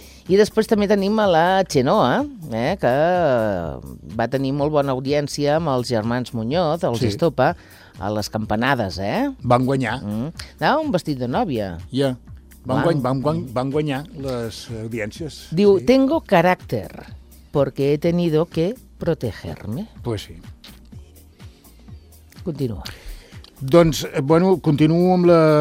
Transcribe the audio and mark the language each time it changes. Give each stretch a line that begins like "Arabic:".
Catalan: I després també tenim a la Chenoa, que va tenir molt bona audiència amb els germans Muñoz, els Estopa, a les campanades, Van guanyar. Mm. Un vestit de nòvia. Ja, van guanyar les audiències.
Spanish: Diu, tengo carácter, porque he tenido que protegerme. Pues sí.
Catalan: Continua. Doncs, bueno, continuo amb la...